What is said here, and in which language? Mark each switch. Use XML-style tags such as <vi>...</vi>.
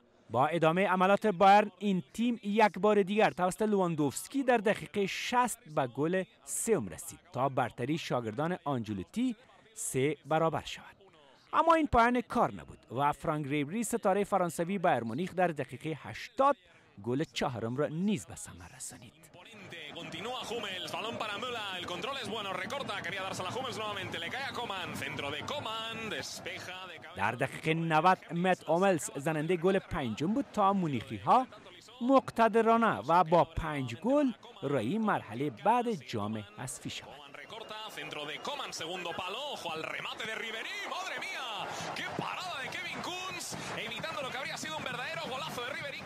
<fa>با ادامه عملات بایرن این تیم یک بار دیگر توسط لواندوفسکی در دقیقه 60 به گل 3 رسید تا برتری شاگردان آنجلوتی 3 برابر شود. اما این پایان کار نبود و فرانک ریبری ستاره فرانسوی بایر مونیخ در دقیقه 80 گل چهارم را نیز به ثمر رسانید.</fa> <es>Continúa Hummels, balón para Müller, el control es bueno, recorta, quería dársela a Hummels nuevamente, le cae a Coman, centro de Coman, despeja de cabeza.</es> <fa>در دقیقه 90 مت اومیلز زننده گل پنجم بود تا مونیخی ها مقتدرانه و با پنج گل روی مرحله بعد جام حذفی شد.</fa> <es>Recorta, centro de Coman, segundo palo, ojo al remate de Ribery, madre mía, qué parada de Kevin Kuntz, evitando lo que habría sido un verdadero golazo de Ribery.</es>